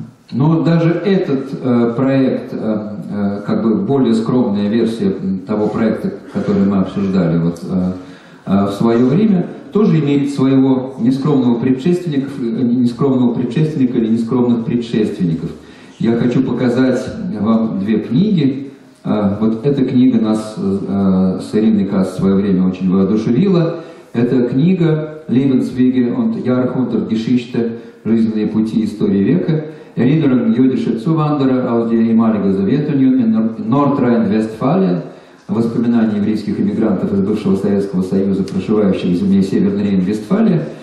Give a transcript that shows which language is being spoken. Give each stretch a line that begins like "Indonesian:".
Russian: Но даже этот проект, как бы более скромная версия того проекта, который мы обсуждали вот, в свое время, тоже имеет своего нескромного предшественника или нескромных предшественников. Я хочу показать вам две книги. Вот эта книга нас с Ириной Касс в свое время очень воодушевила. Это книга «Lebenswege und Jahrhundertgeschichte. Жизненные пути истории века».
German: Erinnerung jüdischer Zuwanderer aus der ehemaligen Sowjetunion in Nordrhein-Westfalen.
Russian: Воспоминания еврейских эмигрантов из бывшего Советского Союза, проживающих в земле Северной Рейн-Вестфалии.